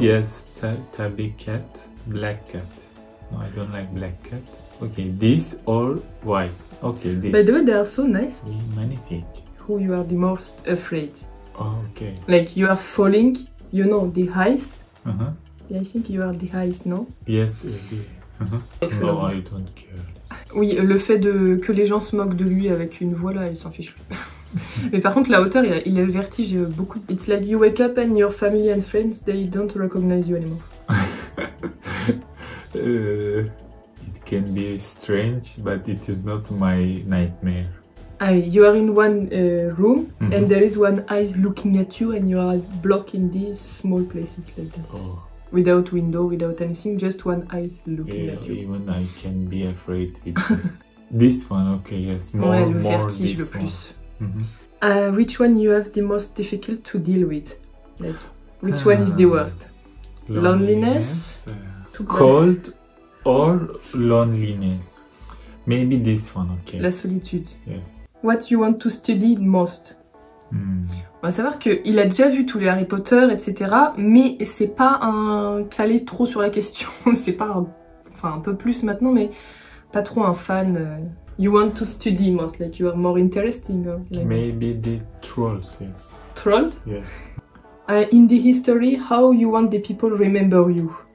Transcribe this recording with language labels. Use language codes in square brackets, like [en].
[en] Yes, tabby cat, black cat. No, I don't like black cat. Okay, this or white. Okay, this. By the way, they are so nice. [fr] Oui, magnifique. [en] Who you are the most afraid? Oh, okay. Like you are falling, you know, the heights. Uh-huh. Yeah, I think you are the heights, no? Yes, okay. Uh-huh. No, I don't care. [fr] Oui, le fait que les gens se moquent de lui avec une voix là, il s'en fiche. Mais par contre, la hauteur, il a le vertige beaucoup. [en] It's like you wake up and your family and friends, they don't recognize you anymore. It can be strange, but it is not my nightmare. You are in one room, mm-hmm. And there is one eyes looking at you, and you are blocking these small places like that. Oh. Without window, without anything, just one eyes looking at you. Even I can be afraid with this. This one, okay, yes. More, [fr] ouais, le [en] more [fr] vertige [en] this [fr] le plus. [en] One. Mm-hmm. Which one you have the most difficult to deal with? Like, which one is the worst? Loneliness? Cold or loneliness? Maybe this one, okay. [fr] La solitude. [en] Yes. What you want to study most? [fr] On va savoir qu'il a déjà vu tous les Harry Potter, etc. Mais c'est pas un calé trop sur la question. C'est pas un peu plus maintenant, mais pas trop un fan. [en] You want to study most, like you are more interesting. Like... Maybe the trolls, yes. Trolls? Yes. In the history, how you want the people remember you?